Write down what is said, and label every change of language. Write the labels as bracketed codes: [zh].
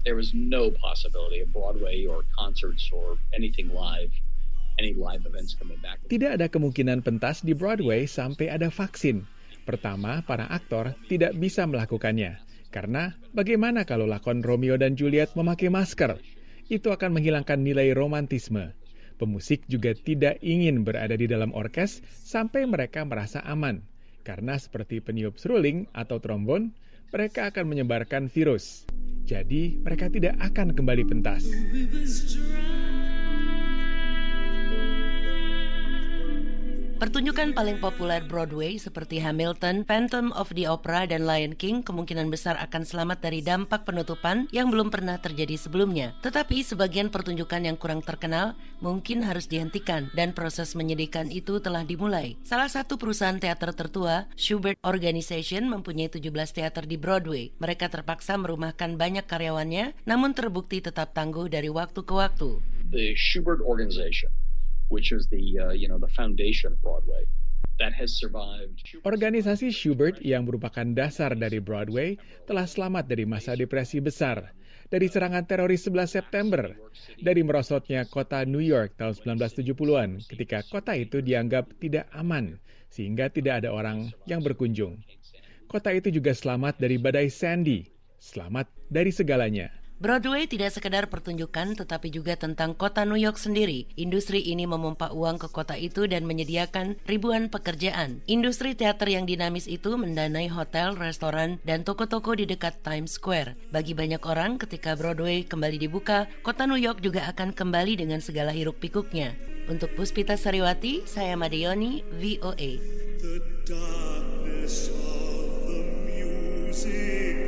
[en] There was no possibility of Broadway or concerts or anything live. Any live events coming back. [id] Tidak ada kemungkinan pentas di Broadway sampai ada vaksin. Pertama, para aktor tidak bisa melakukannya. Karena bagaimana kalau lakon Romeo dan Juliet memakai masker? Itu akan menghilangkan nilai romantisme. Pemusik juga tidak ingin berada di dalam orkes sampai mereka merasa aman. Karena seperti peniup seruling atau trombon, mereka akan menyebarkan virus. Jadi, mereka tidak akan kembali pentas. Pertunjukan paling populer Broadway seperti Hamilton, Phantom of the Opera, dan Lion King kemungkinan besar akan selamat dari dampak penutupan yang belum pernah terjadi sebelumnya. Tetapi sebagian pertunjukan yang kurang terkenal mungkin harus dihentikan, dan proses menyedihkan itu telah dimulai. Salah satu perusahaan teater tertua, Schubert Organization, mempunyai 17 teater di Broadway. Mereka terpaksa merumahkan banyak karyawannya, namun terbukti tetap tangguh dari waktu ke waktu. [en] The Schubert Organization, which is the foundation of Broadway, that has survived. [id] Organisasi Schubert yang merupakan dasar dari Broadway telah selamat dari masa depresi besar, dari serangan teroris 11 September, dari merosotnya kota New York tahun 1970-an ketika kota itu dianggap tidak aman sehingga tidak ada orang yang berkunjung. Kota itu juga selamat dari badai Sandy, selamat dari segalanya. Broadway tidak sekedar pertunjukan, tetapi juga tentang kota New York sendiri. Industri ini memompa uang ke kota itu dan menyediakan ribuan pekerjaan. Industri teater yang dinamis itu mendanai hotel, restoran, dan toko-toko di dekat Times Square. Bagi banyak orang, ketika Broadway kembali dibuka, kota New York juga akan kembali dengan segala hiruk-pikuknya. Untuk Puspita Sariwati, saya Madeoni, VOA. [en] The darkness of the music.